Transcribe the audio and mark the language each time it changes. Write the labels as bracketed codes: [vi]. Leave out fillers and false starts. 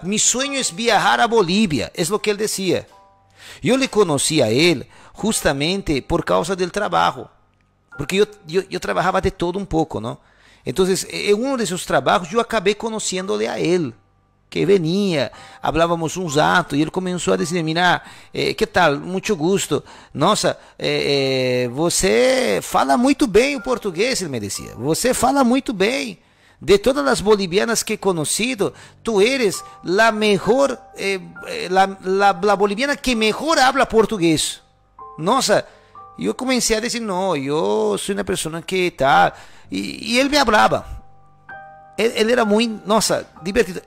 [es] Mi sueño es viajar a Bolivia, es lo que él decía. Yo le conocí a él justamente por causa del trabajo. Porque yo trabajaba de todo un poco, ¿no? Entonces, en uno de esos trabajos yo acabé conociéndole a él. Que venía, hablábamos un rato y él comenzó a decir, mira, ¿qué tal? Mucho gusto. [pt] Nossa, você fala muito bem o português, [es] él me decía. [pt] Você fala muito bem. [es] De todas las bolivianas que he conocido, tú eres la mejor, la boliviana que mejor habla portugués. Nossa, yo comencé a decir, no, yo soy una persona que tal. Y él me hablaba. Él era muy, nossa, divertido.